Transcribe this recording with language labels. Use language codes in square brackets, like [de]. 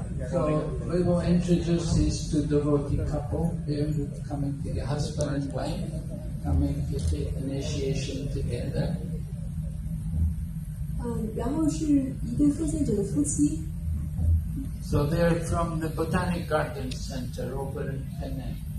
[en] So we will introduce these two devotee couple. They're coming to the husband and wife, coming to take initiation together. [zh] 然后是一对奉献者的夫妻。 [en] So they're from the Botanic Garden Center over in Penang.